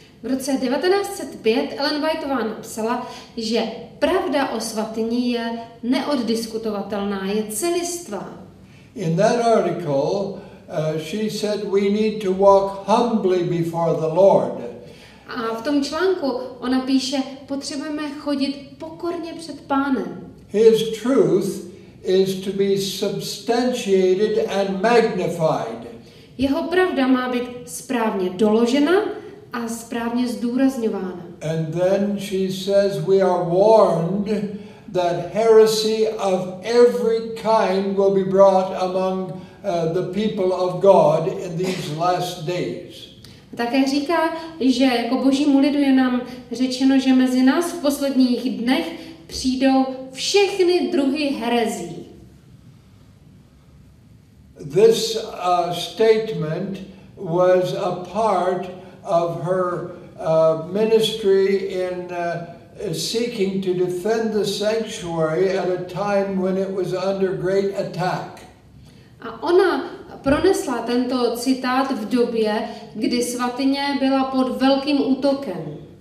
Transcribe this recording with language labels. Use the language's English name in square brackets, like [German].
[Czech] V roce 1905 Ellen Whiteová napsala, že pravda o svatyni je neoddiskutovatelná, je celistvá. [English] In that article, she said we need to walk humbly before the Lord. [Czech] A v tom článku ona píše, potřebujeme chodit pokorně před Pánem. [English] His truth is to be substantiated and magnified. [Czech] Jeho pravda má být správně doložena a správně zdůrazňována. [English] And then she says we are warned that heresy of every kind will be brought among the people of God in these last days. [Czech] Také říká, že jako Božímu lidu je nám řečeno, že mezi nás v posledních dnech přijdou všechny druhy herezí. [English] This statement was a part of her ministry in seeking to defend the sanctuary at a time when it was under great attack. [Czech] A ona pronesla tento citát v době, kdy svatyně byla pod velkým útokem.